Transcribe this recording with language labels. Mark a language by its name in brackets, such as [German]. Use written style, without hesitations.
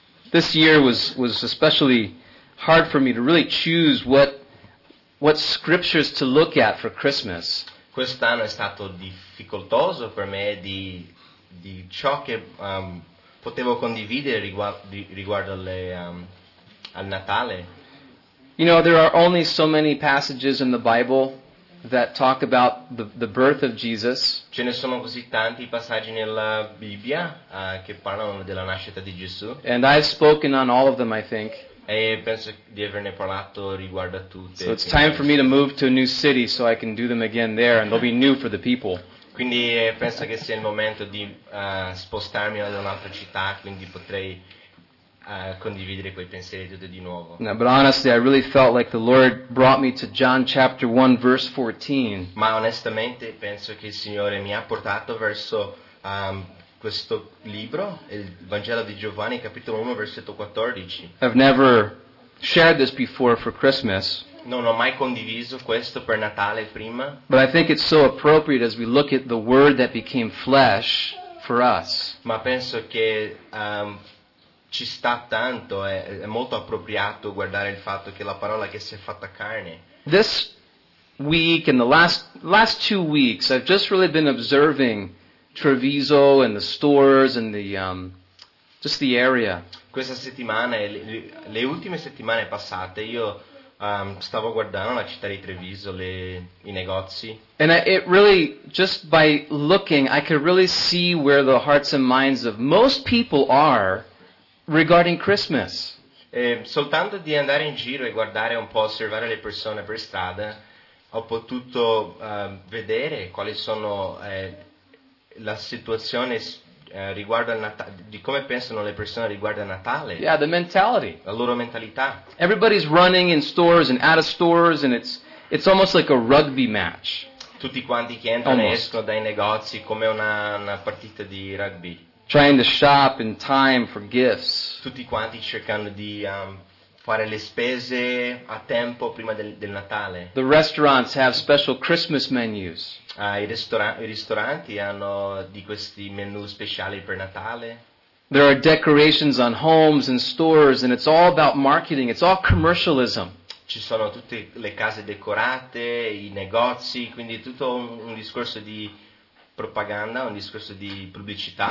[English] this year was especially hard for me to really choose what scriptures to look at for Christmas. [Italian] Quest'anno è stato difficoltoso per me di ciò che potevo condividere riguardo al Natale. [English] You know, there are only so many passages in the Bible that talk about the birth of Jesus. [Italian] Ce ne sono così tanti passaggi nella Bibbia che parlano della nascita di Gesù. [English] And I've spoken on all of them, I think. [Italian] E penso di averne parlato riguardo a tutte. [English] So it's time for me to move to a new city so I can do them again there, and they'll be new for the people. [Italian] Quindi penso che sia il momento di spostarmi ad un'altra città, quindi potrei condividere quei pensieri tutti di nuovo. [English] No, but honestly, I really felt like the Lord brought me to John chapter 1, verse 14. [Italian] Ma onestamente penso che il Signore mi ha portato verso questo libro, il Vangelo di Giovanni, capitolo 1, versetto 14. [English] I've never shared this before for Christmas. [Italian] Non ho mai condiviso questo per Natale prima. [English] But I think it's so appropriate as we look at the Word that became flesh for us. [Italian] Ma penso che ci sta tanto, è molto appropriato guardare il fatto che la parola che si è fatta carne. [English] This week and the last 2 weeks, I've just really been observing Treviso and the stores and the just the area. [Italian] Questa settimana e le ultime settimane passate io stavo guardando la città di Treviso, i negozi. [English] And it really, just by looking, I could really see where the hearts and minds of most people are regarding Christmas. [Italian] E soltanto di andare in giro e guardare un po', osservare le persone per strada, ho potuto vedere quali sono la situazione riguardo al Natale, di come pensano le persone riguardo a Natale. [English] Yeah, the mentality. [Italian] La loro mentalità. [English] Everybody's running in stores and out of stores, and it's almost like a rugby match. [Italian] Tutti quanti che entrano e escono dai negozi come una partita di rugby. [English] Trying to shop in time for gifts. [Italian] Tutti quanti cercando di fare le spese a tempo prima del Natale. [English] The restaurants have special Christmas menus. [Italian] I ristoranti hanno di questi menu speciali per Natale. [English] There are decorations on homes and stores, and it's all about marketing. It's all commercialism. [Italian] Ci sono tutte le case decorate, i negozi, quindi tutto un discorso di propaganda, un discorso di pubblicità.